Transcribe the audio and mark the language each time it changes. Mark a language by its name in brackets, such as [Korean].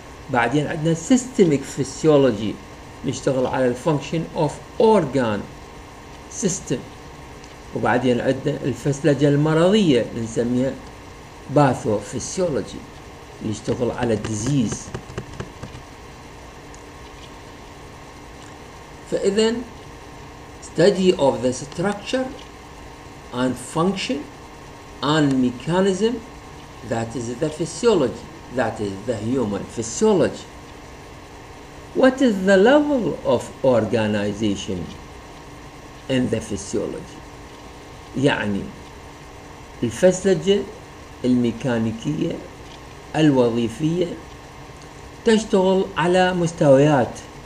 [Arabic] بعدين عندنا سيستميك فيسيولوجي يشتغل على [English] الفونكشن of organ system. [Arabic] وبعدين عندنا الفسلجة المرضية نسميها باثو فيسيولوجي اللي يشتغل على الديزيز. [English] فإذا study of the structure and function and mechanism that is the physiology, that is the human physiology. What is the level of organization in the physiology? [Arabic] يعني الفسلجة الميكانيكية الوظيفية تشتغل على مستويات.